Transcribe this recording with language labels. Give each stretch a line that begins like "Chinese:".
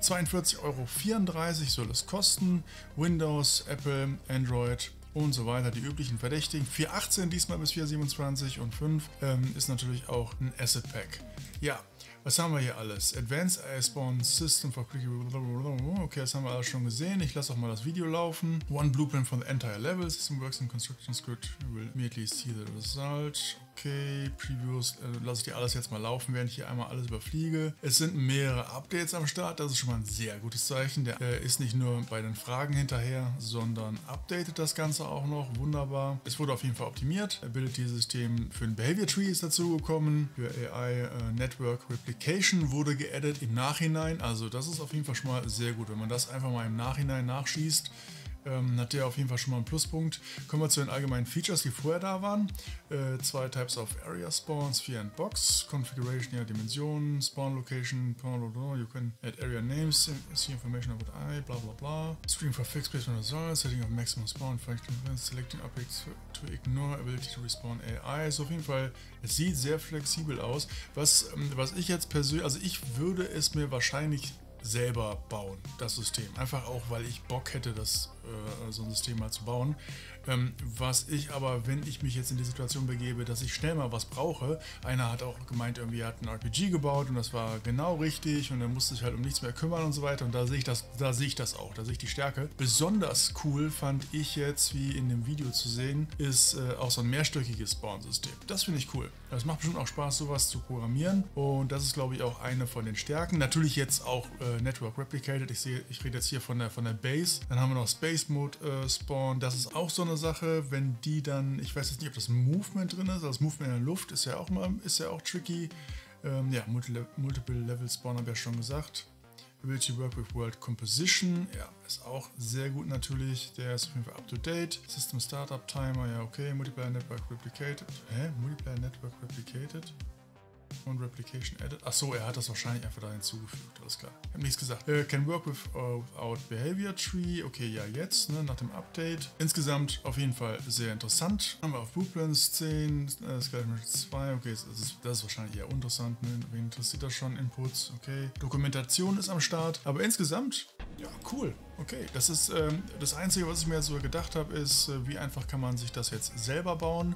German: 42,34 € soll es kosten. Windows, Apple, Android und so weiter, die üblichen Verdächtigen. 4,18 diesmal bis 4,27 und 5 ist natürlich auch ein Asset Pack. Ja, was haben wir hier alles? Advanced AI Spawn System for Quick. Okay, das haben wir alles schon gesehen. Ich lasse auch mal das Video laufen.
English: One Blueprint for the entire level. System works in construction script. You will immediately see the result.
German: Okay, Previews, lasse ich dir alles jetzt mal laufen, während ich hier einmal alles überfliege. Es sind mehrere Updates am Start, das ist schon mal ein sehr gutes Zeichen. Der ist nicht nur bei den Fragen hinterher, sondern updatet das Ganze auch noch, wunderbar. Es wurde auf jeden Fall optimiert. Ability-System für ein Behavior Tree ist dazugekommen. Für AI Network Replication wurde geaddet im Nachhinein. Also das ist auf jeden Fall schon mal sehr gut, wenn man das einfach mal im Nachhinein nachschießt. Hat der auf jeden Fall schon mal einen Pluspunkt. Kommen wir zu den allgemeinen Features, die vorher da waren.
English: Zwei Types of Area Spawns, Sphere and Box, Configuration, ja, Dimensionen, Spawn Location, you can add area names, see information about I, bla bla bla. Screen for fixed placement results, setting of maximum spawn, selecting objects to ignore, ability to respawn AI.
German: So, auf jeden Fall, es sieht sehr flexibel aus. Was ich jetzt persönlich, also ich würde es mir wahrscheinlich selber bauen, das System. Einfach auch, weil ich Bock hätte, so ein System mal zu bauen. Was ich aber, wenn ich mich jetzt in die Situation begebe, dass ich schnell mal was brauche, einer hat auch gemeint, irgendwie hat ein RPG gebaut und das war genau richtig und er musste sich halt um nichts mehr kümmern und so weiter, und da sehe ich die Stärke. Besonders cool fand ich jetzt, wie in dem Video zu sehen, ist auch so ein mehrstöckiges Spawn-System. Das finde ich cool. Das macht bestimmt auch Spaß, sowas zu programmieren, und das ist, glaube ich, auch eine von den Stärken. Natürlich jetzt auch Network Replicated. Ich rede jetzt hier von der Base. Dann haben wir noch Space Mode Spawn. Das ist auch so eine Sache, wenn die dann, ich weiß jetzt nicht, ob das Movement drin ist, also das Movement in der Luft ist ja auch tricky. Ja, Multiple Level Spawn habe ich ja schon gesagt. Ability Work with World Composition, ja, ist auch sehr gut natürlich. Der ist auf jeden Fall up to date.
English: System Startup Timer, ja, okay. Multiplayer Network Replicated. Multiplayer Network Replicated.
German: Und Replication Edit. Achso, er hat das wahrscheinlich einfach da hinzugefügt, alles klar. Ich habe nichts gesagt.
English: Can work without Behavior Tree.
German: Okay, ja, jetzt, ne, nach dem Update. Insgesamt auf jeden Fall sehr interessant. Haben wir auf Blueprints 10, Sky Mission 2. Okay, das ist wahrscheinlich eher interessant. Ne? Wen interessiert das schon? Inputs, okay. Dokumentation ist am Start. Aber insgesamt, ja, cool. Okay, das ist das Einzige, was ich mir jetzt so gedacht habe, ist, wie einfach kann man sich das jetzt selber bauen?